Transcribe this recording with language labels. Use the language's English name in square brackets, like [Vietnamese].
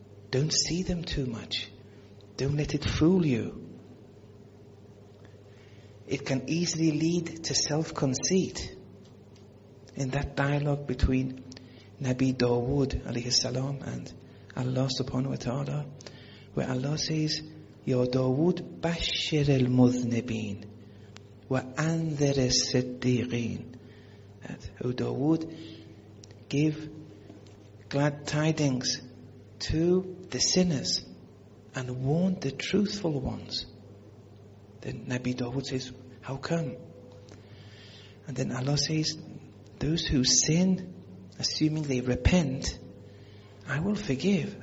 [English] Don't see them too much. Don't let it fool you. It can easily lead to self-conceit. In that dialogue between Nabi Dawood alayhi salam and Allah subhanahu wa ta'ala, where Allah says, [Arabic] يا داود بشر المذنبين وأنذر الصديقين. [English] O Dawood, give glad tidings to the sinners and warn the truthful ones. Then Nabi Dawood says, how come? And then Allah says, those who sin, assuming they repent, I will forgive.